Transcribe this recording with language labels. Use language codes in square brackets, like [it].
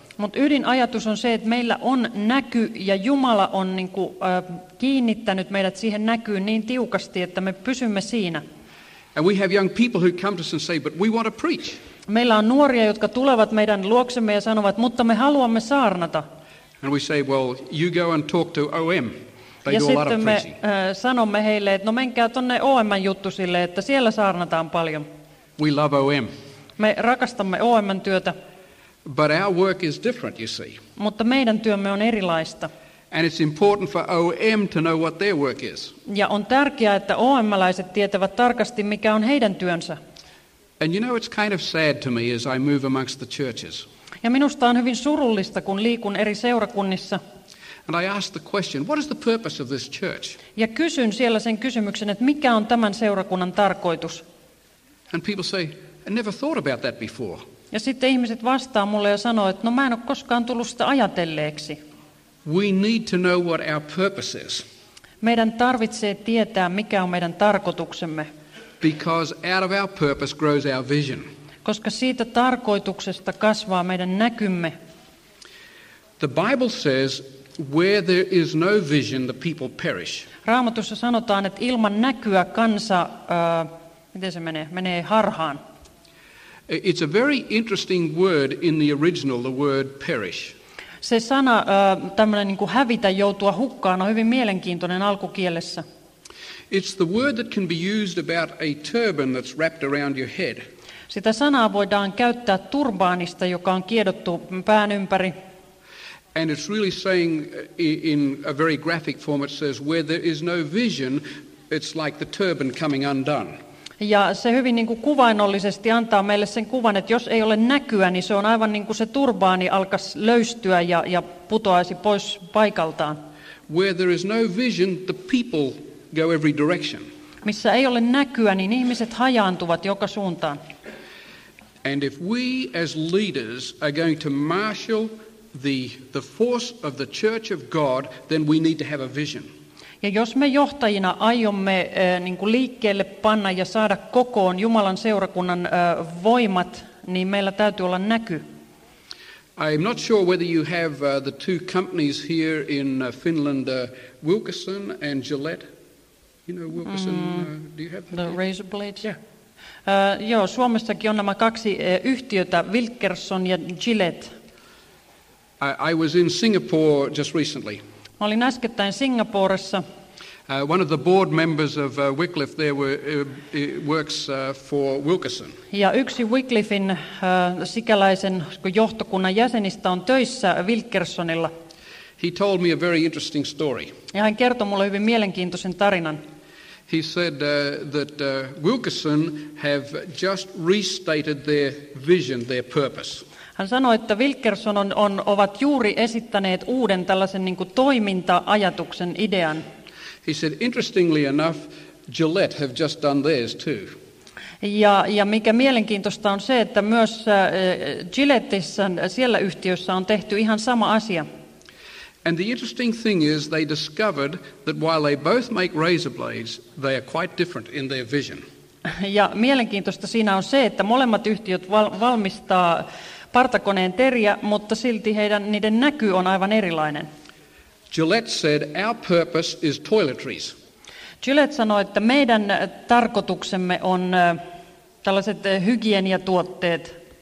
[fi] Mut ydinajatus on se, että meillä on näky ja Jumala on niinku kiinnittänyt meidät siihen näkyyn niin tiukasti, että me pysymme siinä. [en] And we have young people who come to us and say, but we want to preach. [fi] Meillä on nuoria, jotka tulevat meidän luoksemme ja sanovat, mutta me haluamme saarnata. [en] And we say, well, you go and talk to OM. They [fi] ja [en] do a lot of preaching. [fi] Ja sitten me sanomme heille, että no menkää tonne OM:n juttusille, että siellä saarnataan paljon. [en] We love OM. [fi] Me rakastamme OM:n työtä. [en] But our work is different, you see. [fi] Mutta meidän työmme on erilaista. [en] And it's important for OM to know what their work is. [fi] Ja on tärkeää, että OM-läiset tietävät tarkasti, mikä on heidän työnsä. [en] And you know, it's kind of sad to me as I move amongst the churches. [fi] Ja minusta on hyvin surullista, kun liikun eri seurakunnissa. [en] And I ask the question, what is the purpose of this church? [fi] Ja kysyn siellä sen kysymyksen, että mikä on tämän seurakunnan tarkoitus? [en] And people say, I never thought about that before. [fi] Ja sitten ihmiset vastaa mulle ja sanoo, että no mä en ole koskaan tullut sitä ajatelleeksi. [en] We need to know what our purpose is. [fi] Meidän tarvitsee tietää, mikä on meidän tarkoituksemme. [en] Because out of our purpose grows our vision. [fi] Koska siitä tarkoituksesta kasvaa meidän näkymme. [en] The Bible says, where there is no vision, the people perish. [fi] Raamatussa sanotaan, että ilman näkyä kansa, miten se menee? Menee harhaan. [en] It's a very interesting word in the original, the word perish. [fi] Se sana, tämmöinen niin kuin hävitä, joutua hukkaan, on hyvin mielenkiintoinen alkukielessä. [en] It's the word that can be used about a turban that's wrapped around your head. [fi] Sitä sanaa voidaan käyttää turbaanista, joka on kiedottu pään ympäri. [en] And it's really saying in a very graphic form, it says, where there is no vision, it's like the turban coming undone. [fi] Ja se hyvin niin kuin kuvainnollisesti antaa meille sen kuvan, että jos ei ole näkyä, niin se on aivan niin kuin se turbaani alkaisi löystyä ja putoaisi pois paikaltaan. [en] Where there is no vision, the people go every direction. [fi] Missä ei ole näkyä, niin ihmiset hajaantuvat joka suuntaan. [en] And if we as leaders are going to marshal the force of the church of God, then we need to have a vision. [fi] Ja jos me johtajina aiomme niin kuin liikkeelle panna ja saada kokoon Jumalan seurakunnan voimat, niin meillä täytyy olla näky. [en] I'm not sure whether you have the two companies here in Finland, Wilkerson and Gillette. You know Wilkerson, do you have the razor blades? Yeah. [fi] Joo, Suomessakin on nämä kaksi yhtiötä, Wilkerson ja Gillette. [en] I was in Singapore just recently. [fi] Mä olin äskettäin Singaporessa. [en] One of the board members of Wycliffe there works for Wilkerson. [fi] Ja yksi Wycliffen sikäläisen johtokunnan jäsenistä on töissä Wilkersonilla. [en] He told me a very interesting story. [fi] Ja hän kertoi mulle hyvin mielenkiintoisen tarinan. [en] He said that Wilkerson have just restated their vision, their purpose. [fi] Hän sanoi, että Wilkerson ovat juuri esittäneet uuden tällaisen niin kuin toiminta-ajatuksen idean. [en] He said, interestingly enough, Gillette have just done theirs too. [fi] Ja mikä mielenkiintoista on se, että myös Gillettissä siellä yhtiössä on tehty ihan sama asia. [en] And the interesting thing is they discovered that while they both make razor blades, they are quite different in their vision. [fi] Ja mielenkiintoista siinä on se, että molemmat yhtiöt valmistaa partakoneen teriä, mutta silti niiden näky on aivan erilainen. [en] Gillette said, our purpose is toiletries. [fi] Gillette sanoi, että meidän tarkoituksemme on tällaiset hygieniatuotteet.